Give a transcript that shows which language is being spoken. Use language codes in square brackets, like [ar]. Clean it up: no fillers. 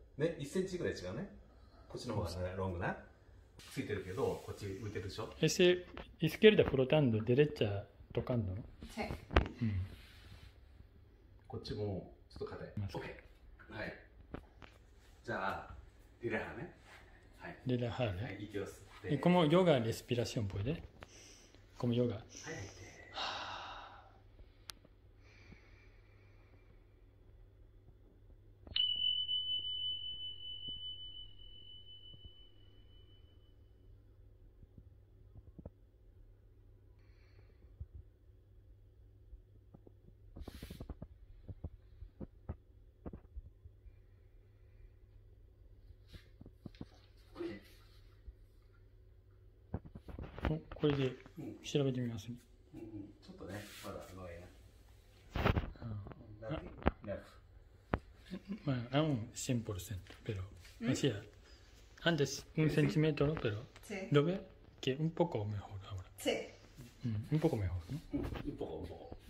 [ja] ね、1センチぐらい違うね。こっちの方がロングな。ついてるけど、こっち向いてるでしょ。 [es] Ese izquierda flotando, derecha tocando. [ja] こっちもちょっと硬い。 OK。 はい。じゃあ、リラハね。リラハね。はい、息を吸っえ、こて。のヨガ、レスピラションっぽいね。このヨガ。はい、吐いて。これで調べてみます。ちょっとね、まだすごいな。ラフ。 [es] Bueno, aún 100%, pero ¿mm? Decía, antes un centímetro, pero sí. Lo veo que un poco mejor ahora. Sí. Mm, un poco mejor, ¿no? Un poco mejor.